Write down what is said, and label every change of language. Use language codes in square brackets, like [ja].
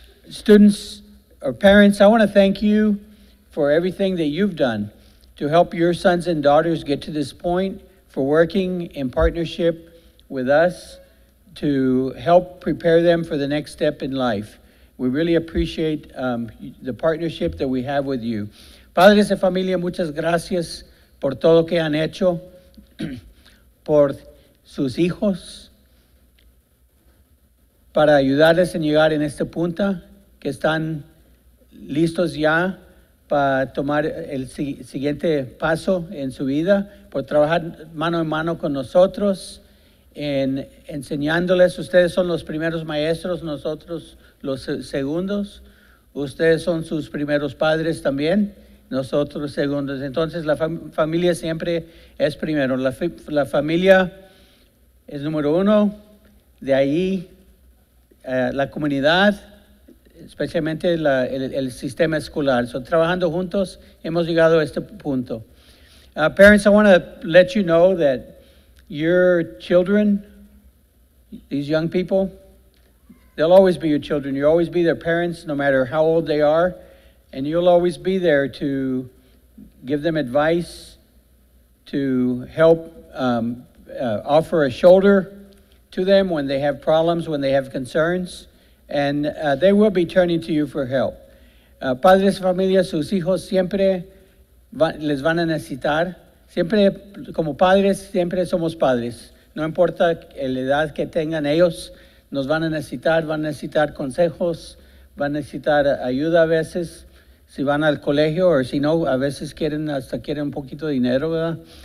[en] Students or parents, I want to thank you for everything that you've done to help your sons and daughters get to this point, for working in partnership with us to help prepare them for the next step in life. We really appreciate the partnership that we have with you. [es] Padres de familia, muchas gracias por todo que han hecho por sus hijos para ayudarles en llegar en este punto, que están listos ya para tomar el siguiente paso en su vida, por trabajar mano en mano con nosotros en enseñándoles. Ustedes son los primeros maestros, nosotros los segundos. Ustedes son sus primeros padres también, nosotros segundos. Entonces, la familia siempre es primero. La familia es número uno. De ahí, la comunidad, especialmente el sistema escolar. So, trabajando juntos, hemos llegado a este punto. [en] Parents, I want to let you know that your children, these young people, they'll always be your children. You'll always be their parents, no matter how old they are. And you'll always be there to give them advice, to help offer a shoulder to them when they have problems, when they have concerns. And they will be turning to you for help. [es] Padres, familia, sus hijos siempre les van a necesitar. Siempre, como padres, siempre somos padres. No importa la edad que tengan ellos. Nos van a necesitar consejos, van a necesitar ayuda a veces, si van al colegio o si no, a veces quieren un poquito de dinero, ¿verdad?